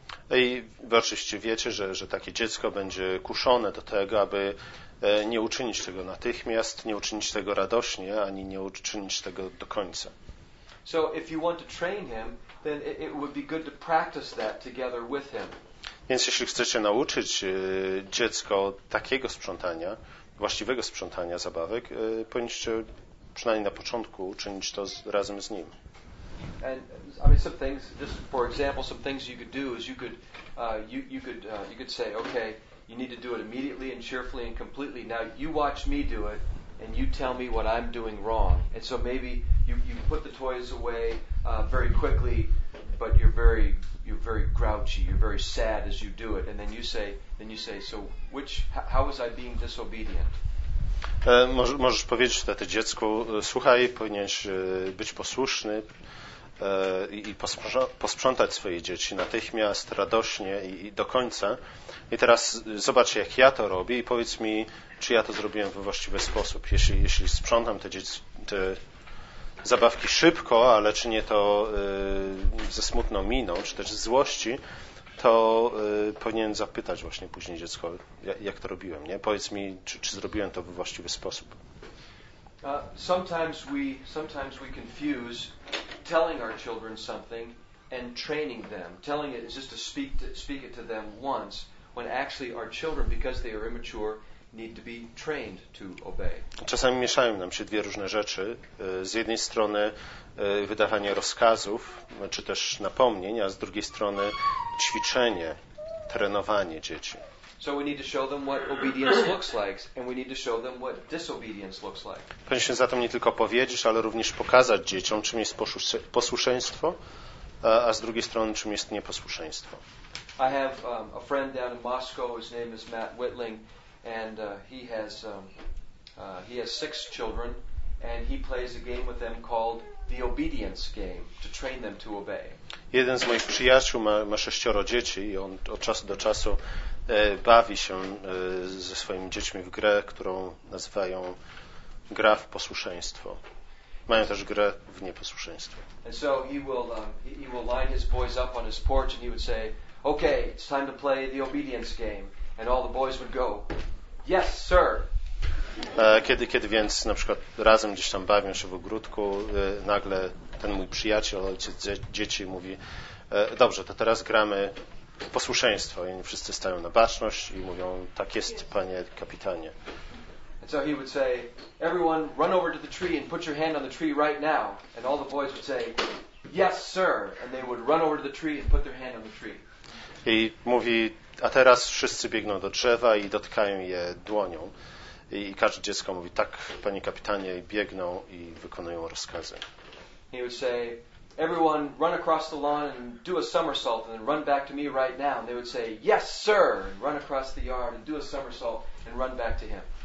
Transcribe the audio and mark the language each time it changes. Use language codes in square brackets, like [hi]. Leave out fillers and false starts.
[pl] I wy oczywiście wiecie, że takie dziecko będzie kuszone do tego, aby nie uczynić tego natychmiast, nie uczynić tego radośnie, ani nie uczynić tego do końca. [en] So if you want to train him, then it would be good to practice that together with him. [pl] Więc jeśli chcecie nauczyć dziecko takiego sprzątania, właściwego sprzątania zabawek, powinniście przynajmniej na początku uczynić to razem z nim. [en] And I mean some things, just for example, some things you could do is you could say, okay, you need to do it immediately and cheerfully and completely. Now you watch me do it and you tell me what I'm doing wrong. And so maybe you put the toys away very quickly, but you're very grouchy, you're very sad as you do it, and then you say, so which how was I being disobedient? [pl] Możesz powiedzieć wtedy dziecku, słuchaj, powinieneś być posłuszny i posprzątać swoje dzieci natychmiast, radośnie i do końca. I teraz zobacz, jak ja to robię i powiedz mi, czy ja to zrobiłem we właściwy sposób. Jeśli sprzątam te zabawki szybko, ale czy nie to ze smutną miną, czy też złości, to powinien zapytać właśnie później dziecko, jak to robiłem. Nie? Powiedz mi, czy zrobiłem to we właściwy sposób. [en] Sometimes we confuse telling our children something and training them. Telling it is just to speak it to them once, when actually our children, because they are immature, need to be trained to obey. [pl] Czasami mieszają nam się dwie różne rzeczy. Z jednej strony wydawanie rozkazów, czy też napomnień, a z drugiej strony ćwiczenie, trenowanie dzieci. [en] So we need to show them what obedience looks like, and we need to show them what disobedience looks like. [pl] Powinniśmy zatem nie tylko powiedzieć, ale również pokazać dzieciom, czym jest posłuszeństwo, a z drugiej strony, czym jest nieposłuszeństwo. [en] I have a friend down in Moscow, his name is Matt Whitling, and he has six children, and he plays a game with them called the obedience game to train them to obey. [pl] Jeden z moich przyjaciół ma sześcioro dzieci i on od czasu do czasu bawi się ze swoimi dziećmi w grę, którą nazywają gra w posłuszeństwo. Mają też grę w nieposłuszeństwo. [en] And so he will line his boys up on his porch and he would say, okay, it's time to play the obedience game. And all the boys would go, yes, sir. [pl] Kiedy więc na przykład razem gdzieś tam bawią się w ogródku, nagle ten mój przyjaciel, ojciec dzieci mówi, dobrze, to teraz gramy posłuszeństwo. I wszyscy stają na baczność i mówią, tak jest, panie kapitanie. [en] And so he would say, everyone run over to the tree and put your hand on the tree right now. And all the boys would say, yes, sir. And they would run over to the tree and put their hand on the tree. [pl] I mówi, a teraz wszyscy biegną do drzewa i dotykają je dłonią. I każde dziecko mówi, tak, panie kapitanie, biegną i wykonują rozkazy. [en] He would say, everyone run across the lawn and do a somersault and then run back to me right now. And they would say, yes, sir, and run across the yard and do a somersault and run back to him.